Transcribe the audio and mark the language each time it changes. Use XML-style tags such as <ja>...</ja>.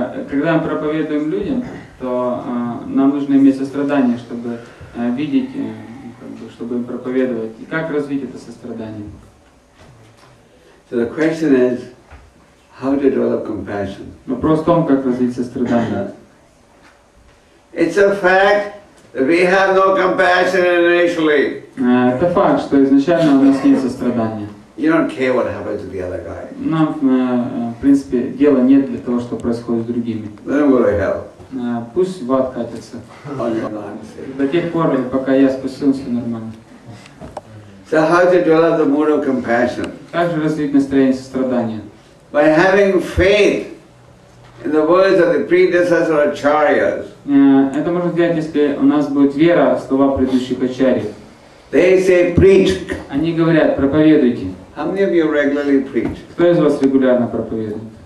<ru>Когда мы проповедуем людям, то нам нужно иметь сострадание, чтобы видеть, чтобы им проповедовать. И как развить это сострадание?</ru> <en>So the question is, how to develop compassion?</en> <ru>Вопрос в том, как развить сострадание.</ru> <en>It's a fact that we have no compassion initially.</en> <ru>Это факт, что изначально у нас нет сострадания.</ru> <en>You don't care what happens to the other guy.</en> <ru>Нам, в принципе, дела нет для того, что происходит с другими.</ru> <en>Then go to hell.</en> <ru>Пусть в ад катится.</ru> <en>On your mind.</en> <ru>До тех пор, пока я спасен, все нормально.</ru> <en>So how to develop the mood of compassion?</en> <ru>Как же развить настроение сострадания?</ru> <en>By having faith in the words of the predecessor acharyas.</en> <ru>Это можно сделать, если у нас будет вера в слова предыдущих ачарьев.</ru> <en>They say preach.</en> <ru>Они говорят, проповедуйте.</ru> <en>How many of you regularly preach?</en> <ru>Кто из вас регулярно проповедует?</ru>